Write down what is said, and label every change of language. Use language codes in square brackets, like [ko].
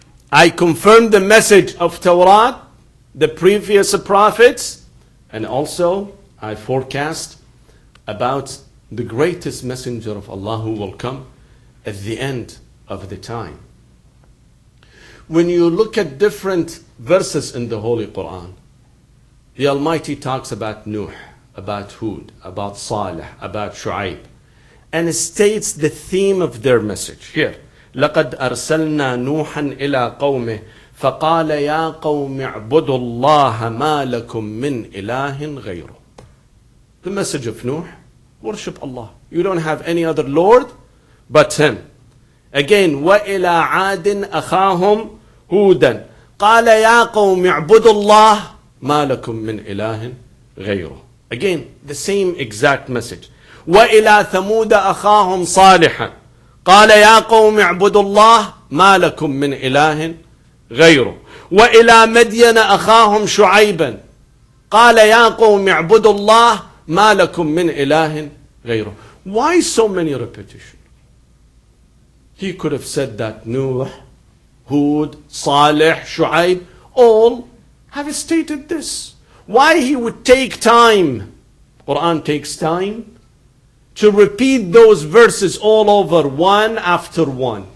[en] I confirm the message of Torah, the previous prophets, and also I forecast about the greatest messenger of Allah who will come at the end of the time. When you look at different verses in the Holy Quran, the Almighty talks about Nuh, about Hud, about Salih, about Shu'aib, and it states the theme of their message here. [ar] لقد أرسلنا نوحا إلى قومه فقال يا قوم اعبدوا الله ما لكم من إله غيره. [en] The message of Nuh, worship Allah. You don't have any other Lord but Him. Again, [ar] وإلى عاد أخاهم هودا قال يا قوم اعبدوا الله ما لكم من إله غيره. [en] Again, the same exact message. [ar] وإلى ثمود أخاهم صالحا قال يا قوم اعبدوا الله ما لكم من إله غيره وإلى مدين أخاهم شعيبا قال يا قوم اعبدوا الله ما لكم من إله غيره. [en] Why so many repetition? He could have said that Nuh, Hud, Salih, Shu'aib all have stated this. Why he would take time? Quran takes time to repeat those verses all over, one after one.